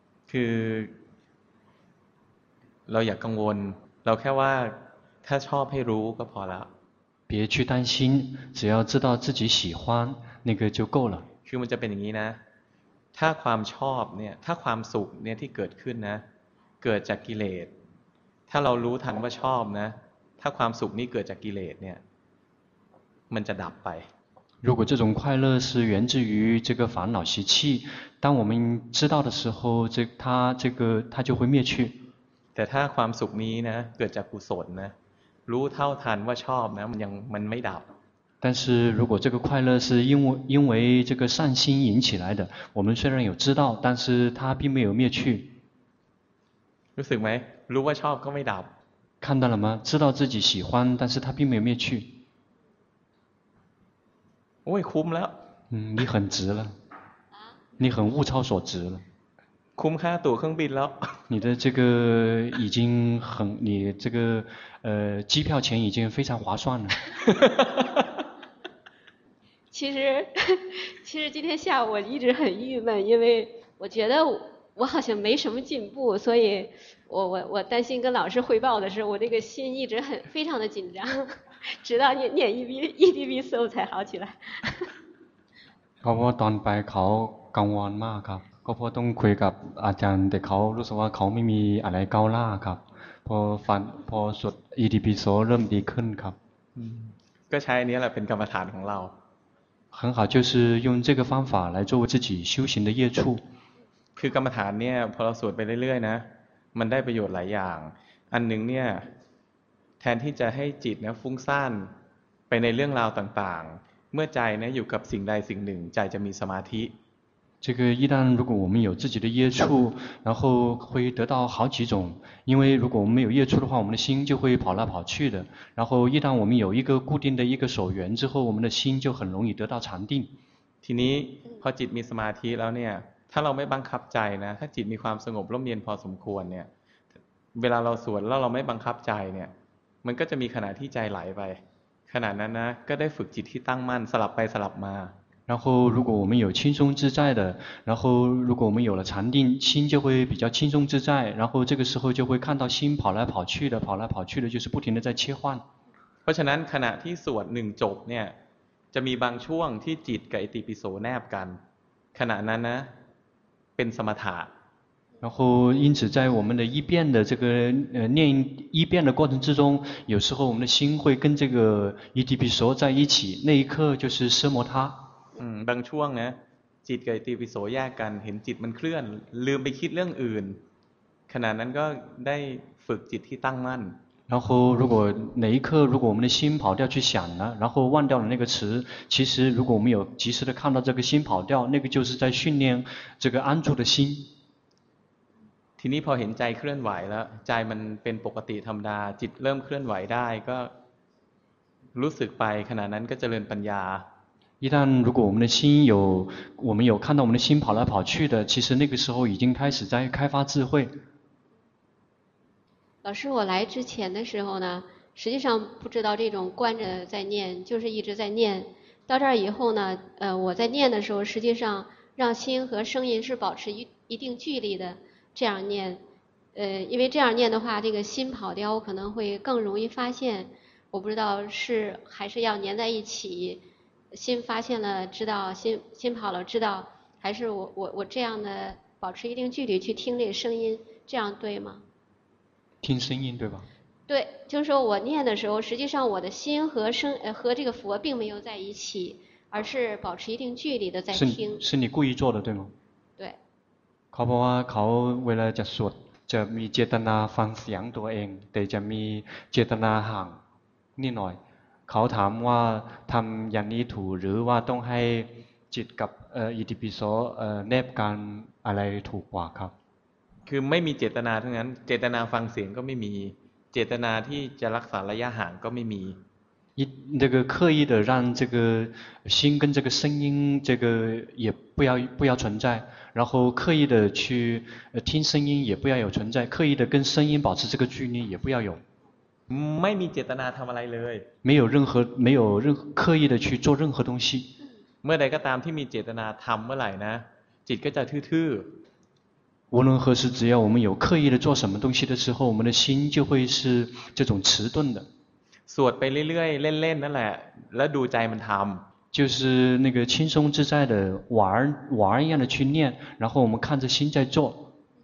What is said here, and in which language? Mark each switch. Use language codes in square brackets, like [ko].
[th] คือเราอย่ากังวลเราแค่ว่าถ้าชอบให้รู้ก็พอแล้ว [zh] 别去担心只要知道自己喜欢那个就够了 [th] คือมันจะเป็นอย่างนี้นะถ้าความชอบเนี่ยถ้าความสุขเนี่ยที่เกิดขึ้นนะเกิดจากกิเลสถ้าเรารู้ทันว่าชอบนะถ้าความสุขนี้เกิดจากกิเลสเนี่ยมันจะดับไป [zh] 如果这种快乐是源自于这个烦恼习气当我们知道的时候它就会灭去 [th] แต่ถ้าความสุขนี้นะเกิดจากกุศลนะรู้เท่าทันว่าชอบนะมันไม่ดับ [zh] 但是如果这个快乐是因为这个善心引起来的我们虽然有知道但是它并没有灭去 [th] รู้สึกไหมรู้ว่าชอบก็ไม่ดับ [zh] 看到了吗知道自己喜欢但是它并没有灭去 [th] โอ้ยคุ้มแล้ว [zh] 你很值了你很物超所值了 [th] คุ้มค่าตั๋วเครื่องบินแล้ว [zh] 你的这个已经很你这个机票钱已经非常划算了其实今天下午我一直很郁闷因为我觉得我好像没什么进步所以我担心跟老师汇报的时候我那个心一直很非常的紧张直到念一滴鼻塞才好起来 [th] เขาบอกตอนไปเขากังวลมากครับก็เพราะต้องคุยกับอาจารย์แต่เขารู้สึกว่าเขาไม่มีอะไรก้าวหน้าครับพอสุดอีดีพีโซเริ่มดีขึ้นครับ ก็ใช้อันนี้แหละเป็นกรรมฐานของเรา [zh] 很好就是用这个方法来作为自己修行的业处 [th] คือกรรมฐานเนี่ยพอเราสวดไปเรื่อยๆนะมันได้ประโยชน์หลายอย่างอันนึงเนี่ยแทนที่จะให้จิตนะฟุ้งซ่านไปในเรื่องราวต่างๆเมื่อใจนะอยู่กับสิ่งใดสิ่งหนึ่งใจจะมีสมาธิ [zh] 这个一旦如果我们有自己的业处然后会得到好几种因为如果我们没有业处的话我们的心就会跑来跑去的然后一旦我们有一个固定的一个所缘之后我们的心就很容易得到禅定 [th] ทีนี้พอจิตมีสมาธิแล้วเนี่ยถ้าเราไม่บังคับใจนะถ้าจิตมีความสงบร่มเย็นพอสมควรเนี่ยเวลาเราสวดแล้วเราไม่บังคับใจเนี่ยมันก็จะมีขณะที่ใจไหลไปขณะนั้นนะก็ได้ฝึกจิตที่ตั้งมั่นสลับไปสลับมา แล้ว [zh] 如果我们有轻松自在的然后如果我们有了禅定心就会比较轻松自在然后这个时候就会看到心跑来跑去的跑来跑去的就是不停的在切换 [th] เพราะฉะนั้นขณะที่สวดหนึ่งจบเนี่ยจะมีบางช่วงที่จิตกับอิติปิโสแนบกันขณะนั้นนะเป็นสมถะ [zh] 然后因此在我们的一遍的这个念一遍的过程之中有时候我们的心会跟这个一滴比索在一起那一刻就是奢摩他 [th] บางช่วงนะจิตกับอิติปิโสแยกกันเห็นจิตมันเคลื่อนลืมไปคิดเรื่องอื่นขณะนั้นก็ได้ฝึกจิตที่ตั้งมั่น [zh] 然后如果哪一刻如果我们的心跑掉去想了然后忘掉了那个词其实如果我们有及时的看到这个心跑掉那个就是在训练这个安住的心 [th] ทีนี้พอเห็นใจเคลื่อนไหวแล้วใจมันเป็นปกติธรรมดาจิตเริ่มเคลื่อนไหวได้ก็รู้สึกไปขณะนั้นก็เจริญปัญญา [zh] 一旦如果我们的心有我们有看到我们的心跑来跑去的其实那个时候已经开始在开发智慧老师我来之前的时候呢实际上不知道这种观着在念就是一直在念到这儿以后呢我在念的时候实际上让心和声音是保持一定距离的这样念因为这样念的话这个心跑掉我可能会更容易发现我不知道是还是要粘在一起心发现了知道心跑了知道还是我这样的保持一定距离去听这声音这样对吗听声音对吧对就是说我念的时候实际上我的心和声和这个佛并没有在一起而是保持一定距离的在听是你故意做的对吗对 [th] เขาบอกว่าเขาเวลาจะสวดจะมีเจตนาฟังเสียงตัวเองแต่จะมีเจตนาห่างนิดหน่อยเขาถามว่าทำอย่างนี้ถูกหรือว่าต้องให้จิตกับอิติปิโสแนบกันอะไรถูกกว่าครับ คือไม่มีเจตนาทั้งนั้นเจตนาฟังเสียงก็ไม่มีเจตนาที่จะรักษาระยะห่างก็ไม่มี [zh] 那个刻意的让这个心跟这个声音这个也不要存在然后刻意的去听声音也不要有存在刻意的跟声音保持这个距离也不要有 [th] ไม่มีเจตนาทำอะไรเลย [zh] 没有任何刻意的去做任何东西 [th] เมื่อใดก็ตามที่มีเจตนาทำเมื่อไหร่นะจิตก็จะทื่อ [zh] 无论何时只要我们有刻意的做什么东西的时候我们的心就会是这种迟钝的 [th] สวดไปเรื่อยๆเล่นๆนั่นแหละแล้วดูใจมันทำ [zh] 就是那个轻松自在的玩一样的去念然后我们看着心在做